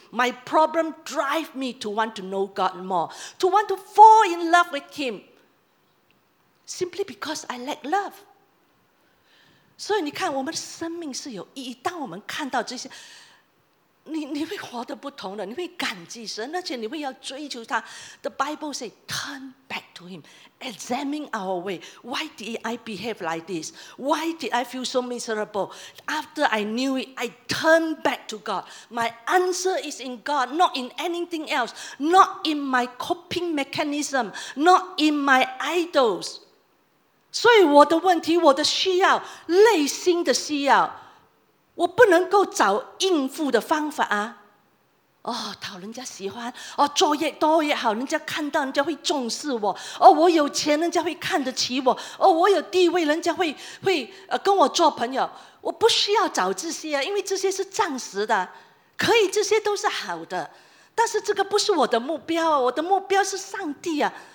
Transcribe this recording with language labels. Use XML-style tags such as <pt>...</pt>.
<en>My problem drives me to want to know God more, to want to fall in love with Him. simply because I lack love.</en> <zh>所以你看，我们的生命是有意义。当我们看到这些，你会活得不同的，你会感激神，而且你会要追求他。</zh> <en>The Bible says, turn back to him, examine our way. Why did I behave like this? Why did I feel so miserable? After I knew it, I turned back to God. My answer is in God, not in anything else, not in my coping mechanism, not in my idols.</en> <zh>所以我的问题，我的需要，内心的需要，我不能够找应付的方法啊！哦，讨人家喜欢，哦，作业多也好，人家看到人家会重视我，哦，我有钱人家会看得起我，哦，我有地位人家会跟我做朋友，我不需要找这些啊，因为这些是暂时的，可以，这些都是好的，但是这个不是我的目标啊，我的目标是上帝啊。</zh>